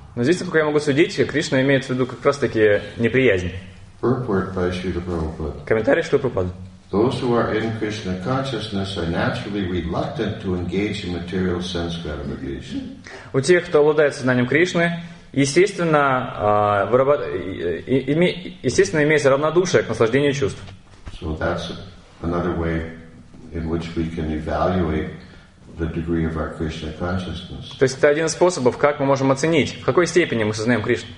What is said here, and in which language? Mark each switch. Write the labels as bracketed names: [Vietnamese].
[Russian] Но здесь, насколько я могу судить, Кришна имеет в виду как раз-таки неприязнь. [English] Purport by Śrīla Prabhupāda. [Russian] Комментарий Śrīla Prabhupāda. [English] Those who are in Krishna consciousness are naturally reluctant to engage in material sense gratification. [Russian] У тех, кто обладает сознанием Кришны, естественно имеется равнодушие к наслаждению чувств. [English] So that's another way in which we can evaluate the degree of our Krishna consciousness. [Russian] То есть это один из способов, как мы можем оценить, в какой степени мы сознаем Кришну.